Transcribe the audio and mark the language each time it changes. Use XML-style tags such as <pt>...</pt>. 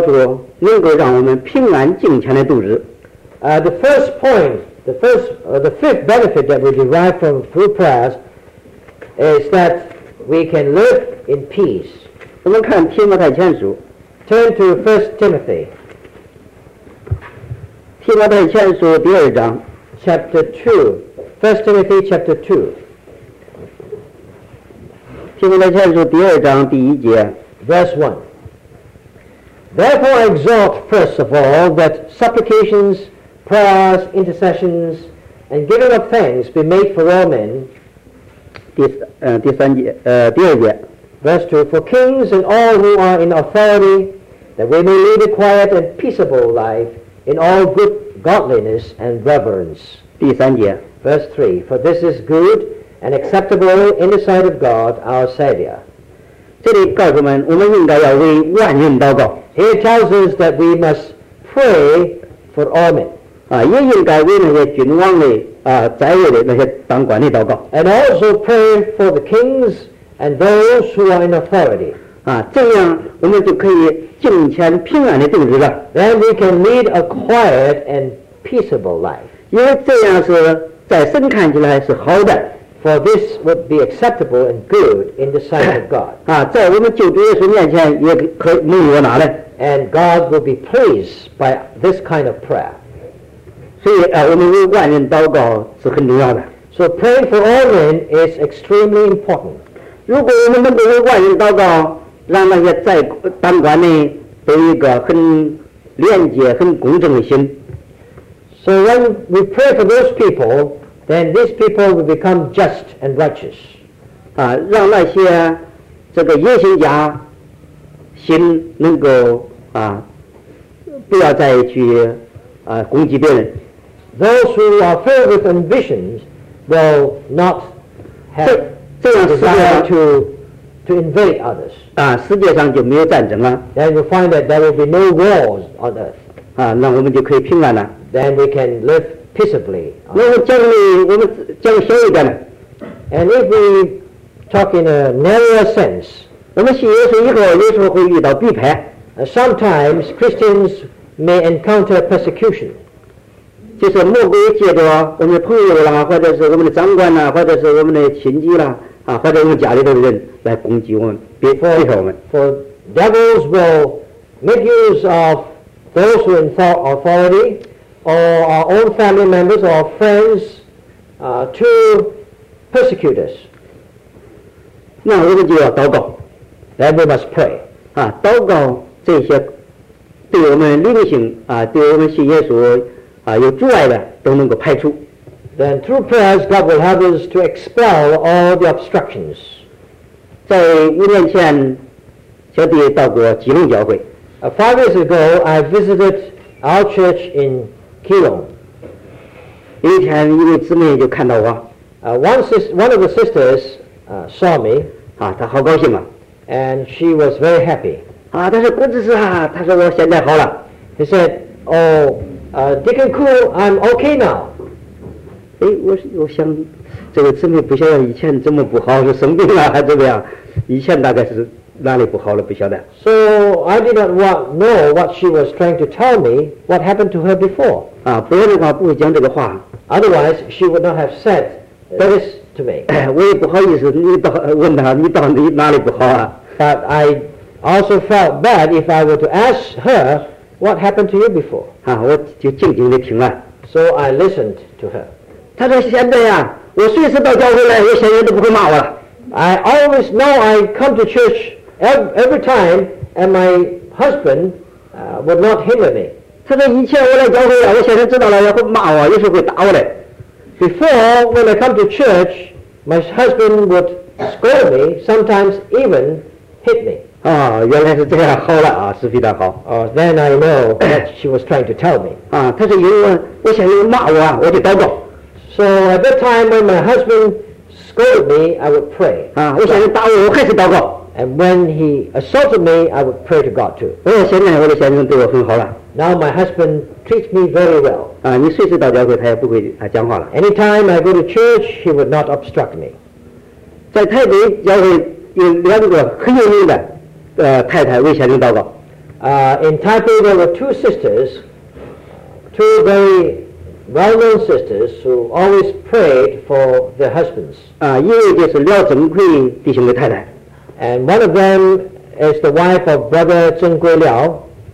<zh>祷告第五点好处，能够让我们平安敬虔的度日。</zh> <en>The first point. The fifth benefit that we derive from through prayers is that we can live in peace.</en> <zh>我们看提摩太前书。</zh> <en>Turn to 1 Timothy.</en> <zh>提摩太前书第二章。</zh> <en>Chapter 2. 1 Timothy chapter 2.</en> <zh>提摩太前书第二章第一节。</zh> <en>Verse 1. Therefore I exhort first of all that supplications, prayers, intercessions, and giving of thanks be made for all men.</en> <zh>第二节。</zh> <en>Verse 2, for kings and all who are in authority, that we may lead a quiet and peaceable life in all good godliness and reverence.</en> <zh>第三节。</zh> <en>Verse 3, for this is good and acceptable in the sight of God our Savior.</en> <zh>这里告诉我们，我们应该要为万人祷告。</zh> <en>Here tells us that we must pray for all men.</en> <zh>啊，也应该为那些君王的宰位的那些当官的祷告。</zh> <en>And also pray for the kings and those who are in authority.</en> <zh>啊，这样我们就可以敬虔平安的度日了。</zh> <en>Then we can lead a quiet and peaceable life.</en> <zh>因为这样是在神看起来是好的。</zh> <en>For this would be acceptable and good in the sight of God.</en> <zh>啊，在我们救主耶稣面前也可以蒙悦纳的。</zh> <en>And God will be pleased by this kind of prayer.</en> <zh>所以啊，我们为万人祷告是很重要的。</zh> <en>So praying for all men is extremely important.</en> <zh>如果我们能够为万人祷告，让那些在当官的都有一个很廉洁、很公正的心。</zh> <en>So when we pray for those people, then these people will become just and righteous.</en> <zh>啊，让那些这个言行家。心能够啊，不要再去啊攻击别人。</zh> <en>Those who are filled with ambitions will not have the desire to invade others.</en> <zh>啊，世界上就没有战争了。</zh> <en>Then you find that there will be no wars on earth.</en> <zh>啊，那我们就可以平安了。</zh> <en>Then we can live peaceably.</en> <zh>那我讲你，我们讲小一点。</zh> <en>And if we talk in a narrower sense.</en> <zh>我们信耶稣以后，有时候会遇到逼迫。</zh> <en>Sometimes Christians may encounter persecution，</en> <zh>就是莫过于借着我们的朋友啦，或者是我们的长官啦，或者是我们的亲戚啦，啊，或者我们家里头的人来攻击我们，逼迫我们。</zh> <en>For devils will make use of those who are in authority, or our own family members or friends, to persecute us.</en> <zh>那我们就要祷告。</zh> <en>Then we must pray.</en> <zh>啊，祷告这些对我们灵性啊，对我们信耶稣啊有阻碍的都能够排除。</zh> <en>Then through prayers, God will help us to expel all the obstructions.</en> <zh>在五年前，小弟到过基隆教会。</zh> <en>Five years ago, I visited our church in Keelung.</en> <zh>有一天，一位姊妹就看到我。</zh> <en>One of the sisters saw me.</en> <zh>啊，她好高兴啊。</zh> <en>And she was very happy.</en> <zh>啊，她说，郭执事啊，她说我现在好了。</zh> <en>He said, "Oh, Deacon Koo, I'm okay now."</en> <zh>哎，我想，这个姊妹不晓得以前怎么不好，是生病了还怎么样？以前大概是哪里不好了，不晓得。</zh> <en>So I did not know what she was trying to tell me. What happened to her before?</en> <zh>啊，不然的话不会讲这个话。</zh> <en>Otherwise, she would not have said that is.</en> <zh>我也不好意思你到问他你到底哪里不好啊</zh> <en>But I also felt bad if I were to ask her what happened to you before.</en> <zh>啊，我就静静地听了。</zh> <en>So I listened to her.</en> <zh>她说现在啊，我随时到教会来，我现在都不会骂我了。</zh> <en>I always know I come to church every time and my husband would not hinder me.</en> <zh>她说以前我来教会了，我现在知道了，会骂我，有时候会打我的。</zh> <en>Before, when I come to church, my husband would scold me, sometimes even hit me.</en> <zh>啊，原来是这样，好了啊，是非常好。</zh> <en>Then I know that she was trying to tell me.</en> <zh>啊，她说因为我想要骂我啊，我就祷告。</zh> <en>So at that time when my husband scolded me, I would pray.</en> <zh>啊，我想要打我，我还是祷告。</zh> <en>And when he assaulted me, I would pray to God too.</en> <zh>哦，现在我的先生对我很好了。</zh> <en>Now my husband treats me very well.</en> <zh>啊，你随时到教会，他也不会啊讲话了。</zh> <en>Anytime I go to church, he would not obstruct me.</en> <zh>在台北教会有两个很有名的太太为先生祷告。</zh> <en>In Taipei there were two sisters, two very well-known sisters who always prayed for their husbands.</en> <zh>啊，一位就是廖正奎弟兄的太太。</zh> <en>And one of them is the wife of Brother Zheng Gui Liao.</en>